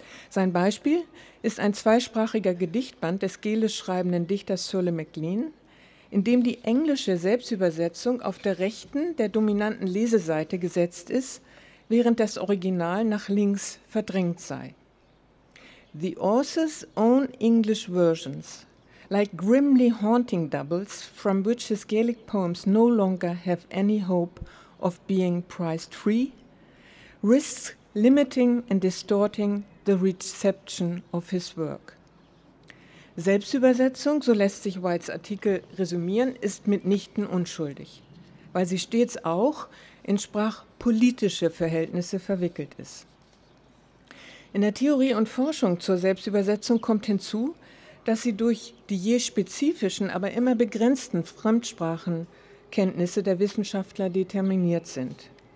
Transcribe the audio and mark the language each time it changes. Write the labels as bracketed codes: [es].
[de] Sein Beispiel ist ein zweisprachiger Gedichtband des gälisch schreibenden Dichters Sirle MacLean, in dem die englische Selbstübersetzung auf der rechten, der dominanten Leseseite gesetzt ist, während das Original nach links verdrängt sei. [en] The author's own English versions, like grimly haunting doubles, from which his Gaelic poems no longer have any hope of being priced free, risks limiting and distorting the reception of his work. [de] Selbstübersetzung, so lässt sich Whites Artikel resümieren, ist mitnichten unschuldig, weil sie stets auch in sprachpolitische Verhältnisse verwickelt ist. In der Theorie und Forschung zur Selbstübersetzung kommt hinzu, dass sie durch die je spezifischen, aber immer begrenzten Fremdsprachenkenntnisse der Wissenschaftler determiniert sind.